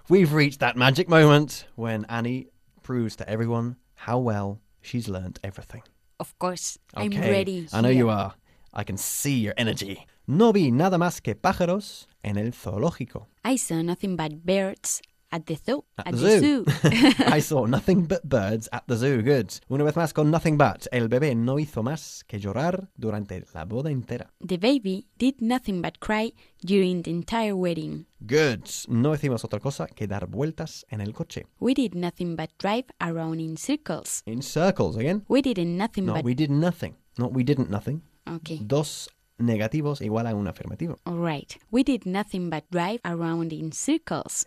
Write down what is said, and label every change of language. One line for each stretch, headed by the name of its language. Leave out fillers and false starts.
English: We've reached that magic moment when Annie proves to everyone how well she's learnt everything. Of course. Okay. I'm ready. I know you are. I can see your energy.
Spanish: No vi nada más que pájaros en el zoológico.
English: I saw nothing but birds at the zoo. At the zoo. I saw nothing but birds at the zoo.
Spanish: Good. Una vez más con nothing but. El bebé no hizo más que llorar durante la boda entera.
English: The baby did nothing but cry during the entire wedding. Good.
Spanish: No hicimos otra cosa que dar vueltas en el coche.
English: We did nothing but drive around in circles. In circles, again? We did nothing. Okay.
Spanish: Dos negativos igual a un afirmativo.
English: All right. We did nothing but drive around in circles.